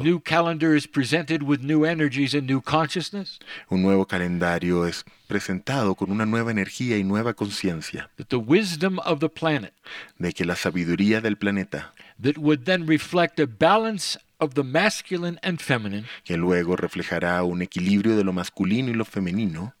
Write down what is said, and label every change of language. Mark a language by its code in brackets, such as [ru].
[en] A new calendar is presented with new energies and new consciousness. [es] Un nuevo calendario es presentado con una nueva energía y nueva conciencia. [en] That the wisdom of the planet, [es] de que la sabiduría del planeta, [en] that would then reflect a balance of the masculine and feminine, [es] que luego reflejará un equilibrio de lo masculino y lo femenino,